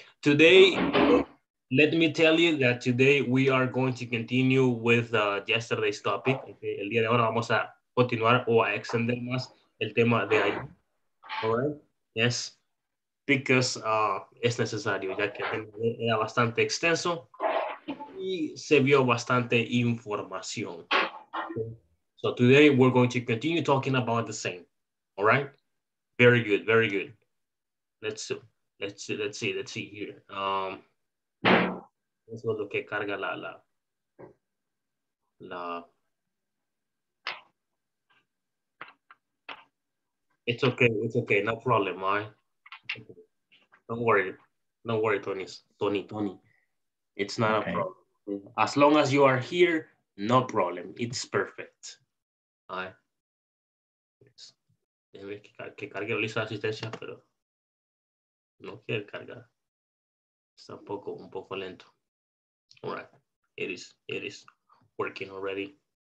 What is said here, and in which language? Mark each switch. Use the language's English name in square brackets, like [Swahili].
[English] Today, let me tell you that today we are going to continue with yesterday's topic. Okay. [Spanish] El día de ahora vamos a continuar o a extender más el tema de ahí. [English] All right. Yes. Because [Spanish] es necesario, ya que era bastante extenso y se vio bastante información. [English] So today we're going to continue talking about the same. All right. Very good. Let's see here. [Spanish] Eso es lo que carga la. [English] It's okay, no problem, man. Right? Don't worry, Tony. It's not okay. A problem. As long as you are here, no problem. It's perfect. All right. Yes. [Spanish] Que cargue la lista de asistencia, pero no quiere cargar. Está un poco lento. [English] All right, it is working already.